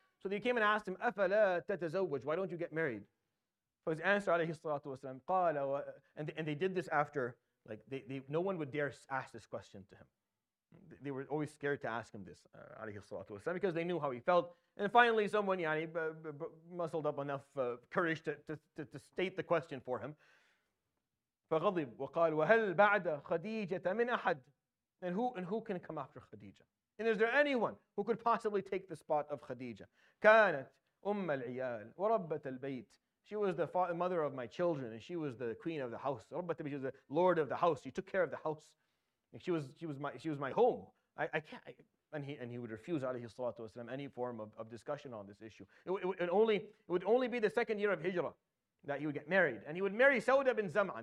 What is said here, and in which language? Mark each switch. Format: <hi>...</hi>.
<en>So they came and asked him,</en> <ar>أَفَلَا تَتَزَوَّجْ</ar> <en>Why don't you get married? For his answer, alayhi salatu wasalam, قَالَ And they did this after, like, no one would dare ask this question to him. They were always scared to ask him this, alayhi salatu wasalam, because they knew how he felt. And finally, someone, muscled up enough courage to state the question for him.</en> <ar>فَغَضِبْ وَقَالْ وَهَلْ بَعْدَ خَدِيجَةَ مِنْ أَحَدْ</ar> <en>And who can come after Khadija? And is there anyone who could possibly take the spot of Khadija?</en> <ar>كانت أم العيال وربت البيت.</ar> <en>She was the mother of my children, and she was the queen of the house.</en> <ar>ربت البيت,</ar> <en>she was the lord of the house. She took care of the house. And she was my home. And he would refuse, alayhi salatu wasalam, any form of discussion on this issue. It would only be the second year of Hijrah that he would get married, and he would marry Sauda bin Zam'a.</en>